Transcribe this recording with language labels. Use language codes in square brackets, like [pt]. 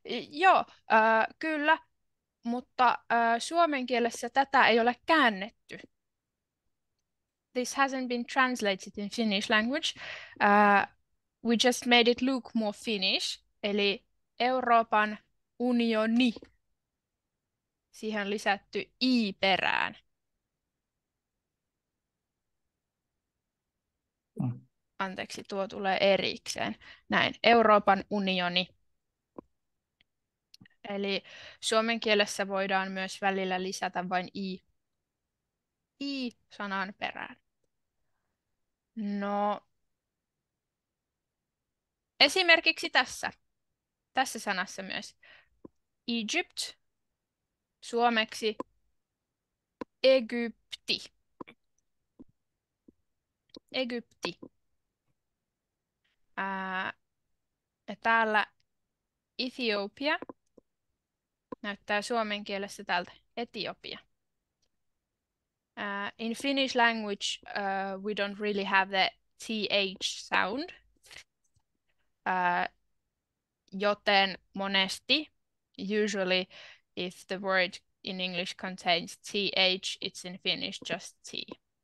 [fi] joo, kyllä, mutta suomen kielessä tätä ei ole käännetty. [en] This hasn't been translated in Finnish language. We just made it look more Finnish, [fi] eli Euroopan unioni. Siihen on lisätty i perään. Anteeksi, tuo tulee erikseen. Näin, Euroopan unioni. Eli suomen kielessä voidaan myös välillä lisätä vain i-sanan perään. No, esimerkiksi tässä sanassa myös Egypt, suomeksi Egypti. Egypti. Ja täällä Ethiopia näyttää suomen kielessä tältä Etiopia. [en] In Finnish language, we don't really have the th sound, [fi] joten monesti, [en] usually if the word in English contains th, it's in Finnish just t.